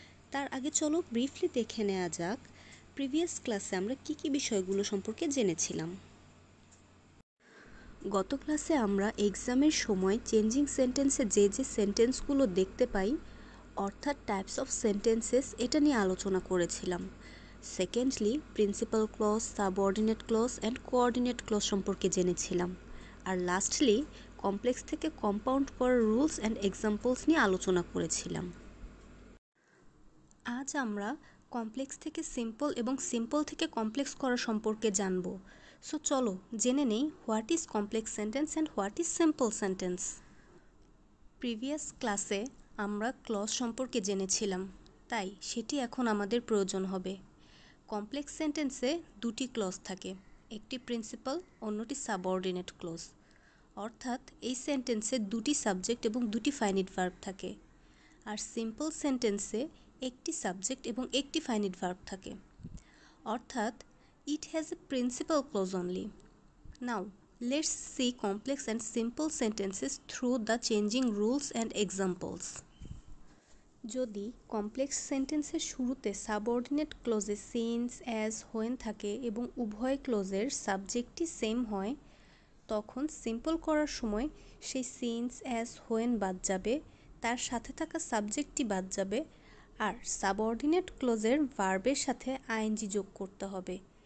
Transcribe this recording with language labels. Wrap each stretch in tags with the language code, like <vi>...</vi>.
<bn>Tar age cholo briefly dekhe neya jak previous class e amra ki ki bishoy gulo somporke jenechhilam. Goto class e amra exam er shomoy changing sentence e je je sentence gulo dekhte pai অর্থাৎ types of sentences এটা নিয়ে আলোচনা করেছিলাম। Secondly principal clause, subordinate clause and coordinate clause সম্পর্কে জেনেছিলাম। আর lastly complex থেকে compound করার rules and examples নিয়ে আলোচনা করেছিলাম। আজ আমরা কমপ্লেক্স থেকে সিম্পল এবং সিম্পল থেকে কমপ্লেক্স করা সম্পর্কে জানব। সো চলো জেনে নেই</bn> <en>What is complex sentence and what is simple sentence.</en> <bn>Previous ক্লাসে আমরা ক্লজ সম্পর্কে জেনেছিলাম, তাই সেটি এখন আমাদের প্রয়োজন হবে। কমপ্লেক্স সেন্টেন্সে দুটি ক্লজ থাকে, একটি প্রিন্সিপাল, অন্যটি সাবঅর্ডিনেট ক্লজ। অর্থাৎ এই সেন্টেন্সে দুটি সাবজেক্ট এবং দুটি ফাইনিট ভার্ব থাকে, আর সিম্পল সেন্টেন্সে একটি সাবজেক্ট এবং একটি ফাইনিট ভার্ব থাকে।</bn> <en>অর্থাৎ it has a principal clause only. Now Let's see complex and simple sentences through the changing rules and examples.</en> <bn>যদি কমপ্লেক্স সেন্টেন্সের শুরুতে সাবঅর্ডিনেট ক্লজে সিন্স, অ্যাজ, হোয়েন থাকে এবং উভয় ক্লজের সাবজেক্টটি সেম হয়, তখন সিম্পল করার সময় সেই সিন্স, অ্যাজ, হোয়েন বাদ যাবে, তার সাথে থাকা সাবজেক্টটি বাদ যাবে, আর সাবঅর্ডিনেট ক্লজের ভার্বের সাথে আইএনজি যোগ করতে হবে।</bn>